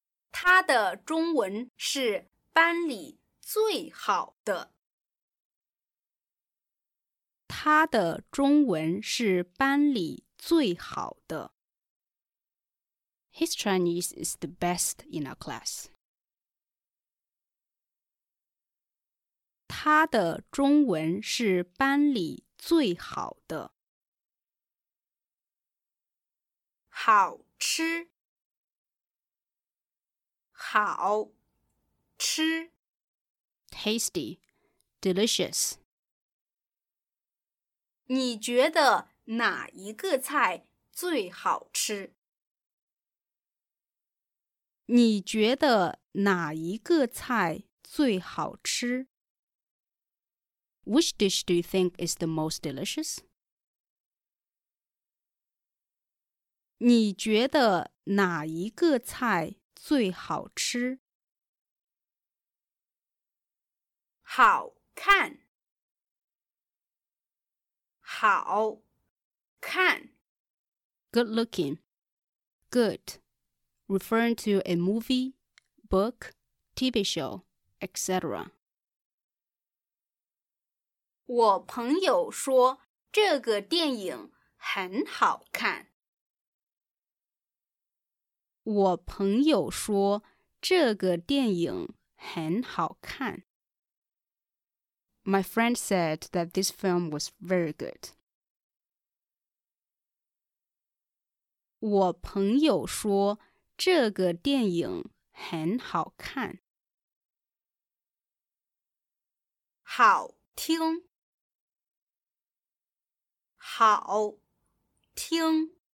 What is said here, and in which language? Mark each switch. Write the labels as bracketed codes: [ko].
[zh] 他的中文是班里最好的。他的中文是班里最好的。 [en] His Chinese is the best in our class. [zh] 他的中文是班里最好的。好吃，好吃 [en] ，tasty, delicious。 [zh] 你觉得哪一个菜最好吃？你觉得哪一个菜最好吃 [en] ？Which dish do you think is the most delicious？ [zh] 你觉得哪一个菜最好吃？好看，好看。 [en] Good looking. Good. Referring to a movie, book, TV show, etc. [zh] 我朋友说这个电影很好看。我朋友说这个电影很好看。 [en] My friend said that this film was very good. [zh] 我朋友说这个电影很好看。好听，好听。